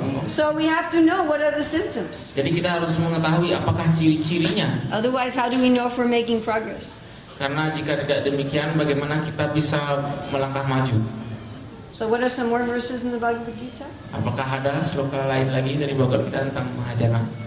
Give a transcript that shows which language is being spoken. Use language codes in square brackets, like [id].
[en] So we have to know what are the symptoms. [id] Jadi kita harus mengetahui apakah ciri-cirinya. [en] Otherwise, how do we know if we're making progress? [id] Karena jika tidak demikian, bagaimana kita bisa melangkah maju? [en] So what are some more verses in the Bhagavad Gita? [id] Apakah ada sloka lain lagi dari Bhagavad Gita tentang mahajana?